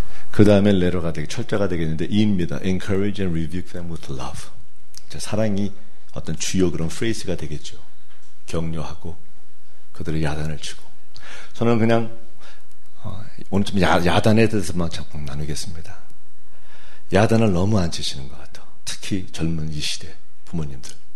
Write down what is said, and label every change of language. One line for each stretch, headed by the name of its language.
Korean: 그 다음에 letter가 되게 철자가 되겠는데 E입니다.
English: Encourage and rebuke them with love.
Korean: 이제 사랑이 어떤 주요 그런 phrase가 되겠죠. 격려하고 그들의 야단을 치고. 저는 그냥 오늘 좀 야단에 대해서만 잠깐 나누겠습니다. 야단을 너무 안 치시는 것 같아. 특히 젊은 이 시대 부모님들.